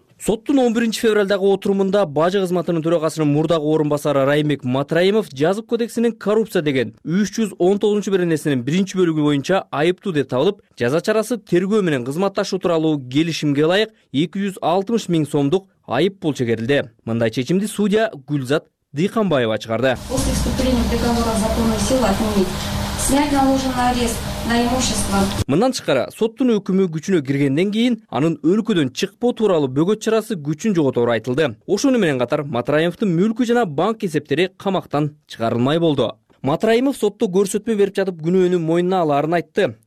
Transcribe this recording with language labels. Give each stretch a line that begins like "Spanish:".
Kyrgyz: Соттун 11 февралдагы отурумунда бажы кызматынын төрагасынын мурдагы орун басары Райымбек Матраимов жазып кодексинин коррупция деген 319 беренесинин 1 бөлүгү боюнча айыптуу деп табылып, жаза чарасы тергөө менен кызматташуу тууралуу келишимге ылайык 260 миң сомдук айып пул чегерилди. Мындай чечимди судья Гүлзат Дыйканбаева чыгарды.
Russian: После вступления договора законной силы отменить. Снять наложенный арест.
Kyrgyz: Мындан тышкары соттун өкүмү күчүнө киргенден кийин анын өлкөдөн чыкпоо тууралуу бөгөт чарасы күчүн жоготору айтылды. Ошону менен катар Матраимовдун мүлкү жана банк эсептери камактан чыгарылмай болду. Матраимов сотто көрсөтмө берип жатып күнөөнү мойнуна алаарын айтты.